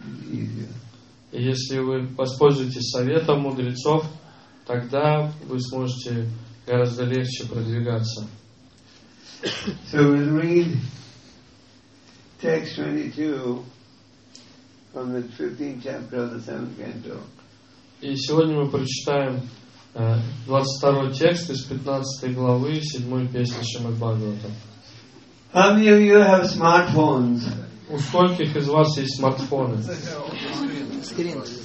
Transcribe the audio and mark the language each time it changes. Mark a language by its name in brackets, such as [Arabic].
[Russian] И если вы воспользуетесь советом мудрецов, тогда вы сможете гораздо легче продвигаться. [English] So we'll read text 22 from the 15th chapter of the 7th canto. [Russian] И сегодня мы прочитаем 22-й текст из 15-й главы 7-й песни Шримад-Бхагавата. [English] How many of you have smartphones? [Russian] У скольких из вас есть смартфоны? [English] Screen.